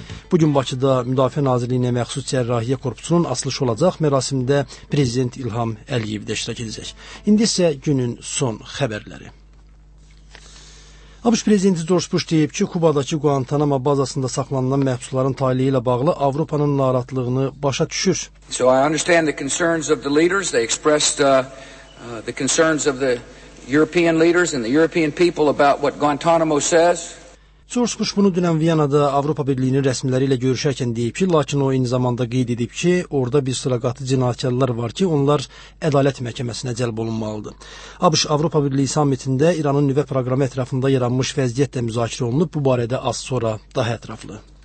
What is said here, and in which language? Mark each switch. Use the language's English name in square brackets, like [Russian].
[Azerbaijani] Bugün Bakıda Müdafiə Nazirliyinə məxsus cərrahiyyə korpusunun açılışı olacaq. Mərasimdə Prezident İlham Əliyev də iştirak edəcək. İndi isə günün son xəbərləri. ABŞ Prezidenti George Bush deyib ki, Kubadakı Guantanamo bazasında saxlanılan məhbusların taliyi ilə bağlı Avropanın narahatlığını başa düşür. [English] So I understand the concerns of the leaders. They expressed the concerns of the European leaders and the European people about what Guantanamo says. [Azerbaijani] George Bush bunu dünən Viyana'da Avropa Birliyinin rəsmiləri ilə görüşərkən deyib ki, lakin o eyni zamanda qeyd edib ki, orada bir sıra qatı cinayətkarlar var ki, onlar ədalət məhkəməsinə cəlb olunmalıdır. ABŞ Avropa Birliyi sammitində İranın nüvə proqramı ətrafında yaranmış vəziyyətlə müzakirə olunub, bu barədə az sonra daha ətraflı.